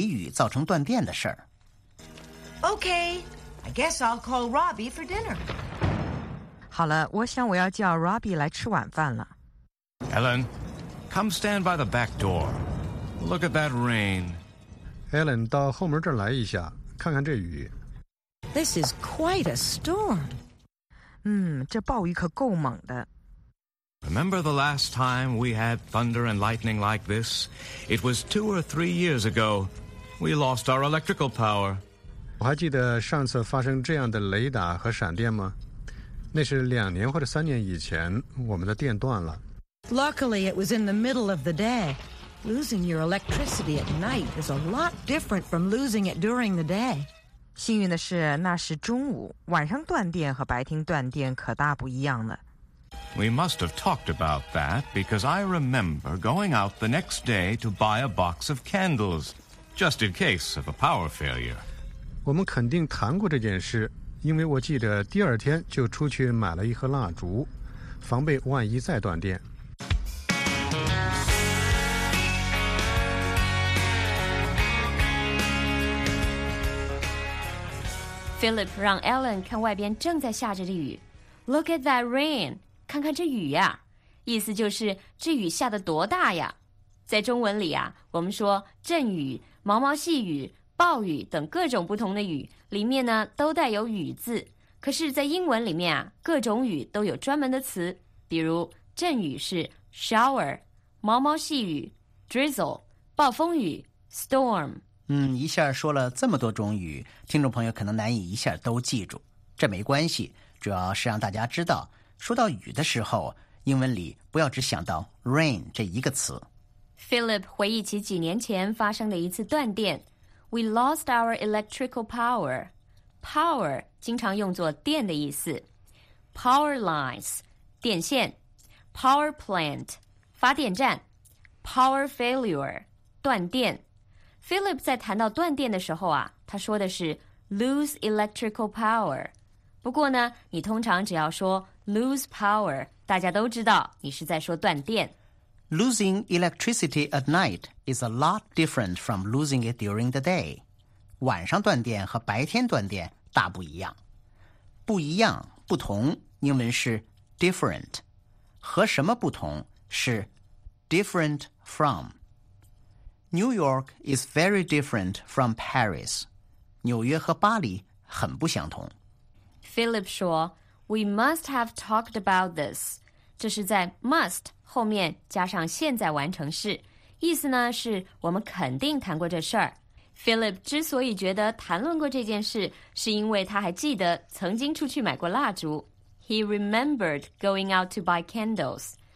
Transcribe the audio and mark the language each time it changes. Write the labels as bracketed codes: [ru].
[zh] 听众朋友，刚才我们听了这一讲课文的英文全文，下面我们分段讲解。第一段说的是，Ellen做好了晚饭，准备叫Robbie来吃饭，但是Philip让Ellen到后门那儿去看看外面雷雨大作的情况。Philip说，这样他想起了两三年前由于雷雨造成断电的事儿。 [en] Okay, I guess I'll call Robbie for dinner. [zh] 好了，我想我要叫Robbie来吃晚饭了。Ellen, [en] come stand by the back door. Look at that rain. [zh] Ellen, 到后门这儿来一下，看看这雨。 [en] This is quite a storm. [zh] 这暴雨可够猛的。 [en] Remember the last time we had thunder and lightning like this? It was 2 or 3 years ago. We lost our electrical power. [zh] 我还记得上次发生这样的雷打和闪电吗？那是2年或者3年以前，我们的电断了。 [en] Luckily, it was in the middle of the day. Losing your electricity at night is a lot different from losing it during the day. [zh] 幸运的是，那是中午，晚上断电和白天断电可大不一样了。 [en] We must have talked about that because I remember going out the next day to buy a box of candles, just in case of a power failure. [zh] 我们肯定谈过这件事，因为我记得第二天就出去买了一盒蜡烛，防备万一再断电。 Philip 让 Ellen 看外边正在下着的雨。 [en] Look at that rain. [zh] 看看这雨呀、意思就是这雨下得多大呀。在中文里啊，我们说阵雨、毛毛细雨、暴雨等各种不同的雨里面呢都带有雨字。可是在英文里面啊，各种雨都有专门的词。比如阵雨是 shower, 毛毛细雨 drizzle, 暴风雨 storm。一下说了这么多种语，听众朋友可能难以一下都记住。这没关系，主要是让大家知道，说到雨的时候，英文里不要只想到 rain 这一个词。 Philip 回忆起几年前发生的一次断电。 [en] We lost our electrical power. [zh] Power 经常用作电的意思。 Power lines, 电线。 Power plant, 发电站。 Power failure, 断电。 Philip 在谈到断电的时候啊，他说的是 [en] lose electrical power。 [zh] 不过呢，你通常只要说 [en] lose power， [zh] 大家都知道你是在说断电。 [en] Losing electricity at night is a lot different from losing it during the day。 [zh] 晚上断电和白天断电大不一样。不一样，不同，英文是 different。和什么不同？是 different from。 [en] New York is very different from Paris. [zh] 纽约和巴黎很不相同。 [en] Philip [zh] 说 [en] ,We must have talked about this. [zh] 这是在 must 后面加上现在完成式。意思呢是我们肯定谈过这事儿。Philip 之所以觉得谈论过这件事是因为他还记得曾经出去买过蜡烛。 [en] He remembered going out to buy candles.